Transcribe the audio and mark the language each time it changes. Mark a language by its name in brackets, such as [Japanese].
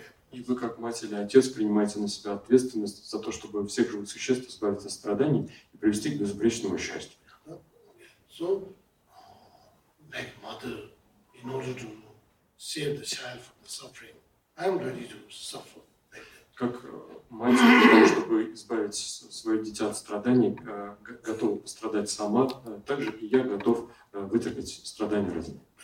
[Russian] И вы, как мать или отец, принимаете на себя ответственность за то, чтобы всех живых существ избавиться от страданий и привести к безупречному счастью. [English] So, like mother, in order to save the child from the suffering, I am ready to suffer. [Russian] Как мать, для того, чтобы избавить свое дитя от страданий, готова пострадать сама, так же и я готов вытерпеть страдания ради.